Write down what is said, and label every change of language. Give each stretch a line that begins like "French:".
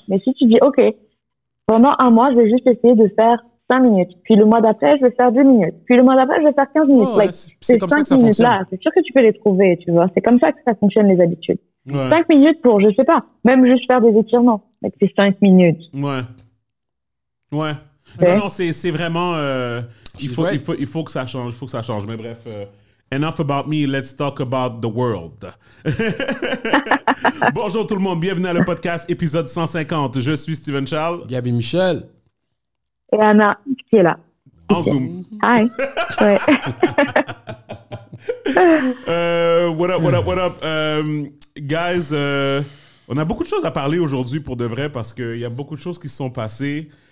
French: Mais si tu dis ok, pendant un mois je vais juste essayer de faire 5 minutes, puis le mois d'après, je vais faire 2 minutes, puis le mois d'après, je vais faire 15 minutes. Oh, ouais. C'est 5 minutes-là, c'est sûr que tu peux les trouver, tu vois. C'est comme ça que ça fonctionne, les habitudes. Ouais. 5 minutes pour, je sais pas, même juste faire des étirements, mais c'est 5 minutes. Ouais. Ouais. Ouais. Non, c'est vraiment... Il faut que ça change, il faut que ça change. Mais bref,
English: enough about me, let's talk about the world.
French: Bonjour tout le monde, bienvenue à le podcast épisode 150. Je suis Steven Charles. Gabi Michel. Et Anna, qui est là. En Zoom. Hi. Ouais.
English: What up?
French: Guys, on a beaucoup de choses à parler aujourd'hui pour de vrai parce qu'il y a beaucoup de choses qui se sont passées.